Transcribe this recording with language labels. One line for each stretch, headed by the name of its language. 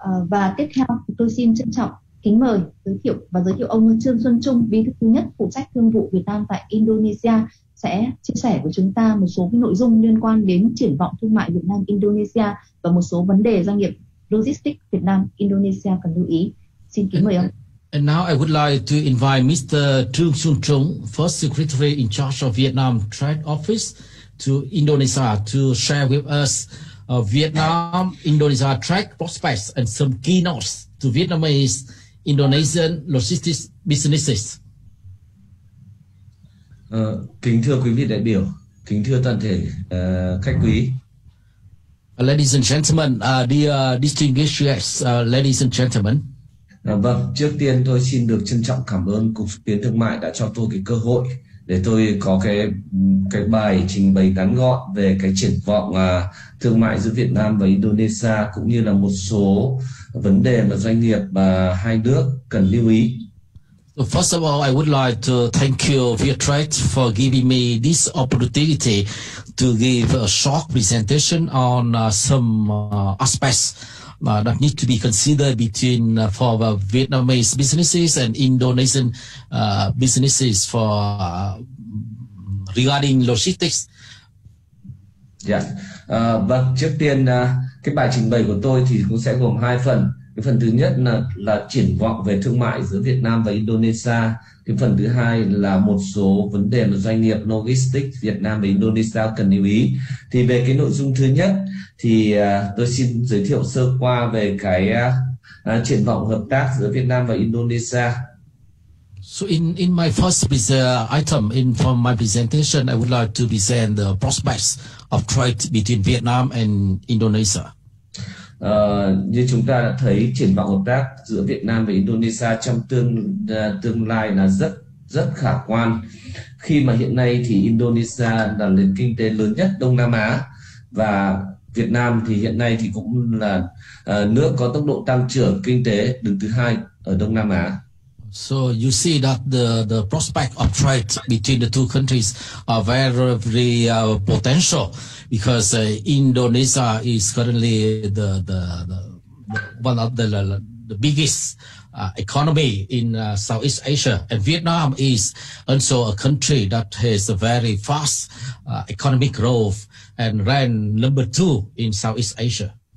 Vietnamese: Và tiếp theo tôi xin trân trọng kính mời giới thiệu và giới thiệu ông Trương Xuân Trung, bí thư thứ nhất phụ trách thương vụ Việt Nam tại Indonesia, sẽ chia sẻ với chúng ta một số cái nội dung liên quan đến triển vọng thương mại Việt Nam Indonesia và một số vấn đề doanh nghiệp logistics Việt Nam Indonesia cần lưu ý. Xin kính mời ông.
English: And now I would like to invite Mr. Trương Xuân Trung, First Secretary in charge of Vietnam Trade Office to Indonesia, to share with us Vietnam Indonesia trade prospects and some keynotes to Vietnamese Indonesian logistics businesses.
Vietnamese: Kính thưa quý vị đại biểu, kính thưa toàn thể khách quý.
English: Ladies and gentlemen, dear distinguished guests, ladies and gentlemen.
Vietnamese: Vâng, trước tiên tôi xin được trân trọng cảm ơn Cục Xúc tiến Thương mại đã cho tôi cái cơ hội để tôi có cái bài trình bày ngắn gọn về cái triển vọng thương mại giữa Việt Nam và Indonesia cũng như là một số vấn đề mà doanh nghiệp hai nước cần lưu ý.
English: So first of all, I would like to thank you, Vietrade, for giving me this opportunity to give a short presentation on some aspects that need to be considered between for the Vietnamese businesses and Indonesian businesses for regarding logistics. Yes.
Vietnamese: Vâng, trước tiên cái bài trình bày của tôi thì cũng sẽ gồm hai phần. Cái phần thứ nhất là triển vọng về thương mại giữa Việt Nam và Indonesia. Cái phần thứ hai là một số vấn đề mà doanh nghiệp logistics Việt Nam và Indonesia cần lưu ý. Thì về cái nội dung thứ nhất thì tôi xin giới thiệu sơ qua về cái triển vọng hợp tác giữa Việt Nam và Indonesia.
English: So in my first item in from my presentation, I would like to present the prospects of trade between Vietnam and Indonesia.
Vietnamese: Như chúng ta đã thấy, triển vọng hợp tác giữa Việt Nam và Indonesia trong tương lai là rất khả quan. Khi mà hiện nay thì Indonesia là nền kinh tế lớn nhất Đông Nam Á và Việt Nam thì hiện nay thì cũng là nước có tốc độ tăng trưởng kinh tế đứng thứ hai ở Đông Nam Á.
English: So you see that the prospect of trade between the two countries are very potential because Indonesia is currently the one of the biggest economy in Southeast Asia, and Vietnam is also a country that has a very fast economic growth and ranked number two in Southeast Asia.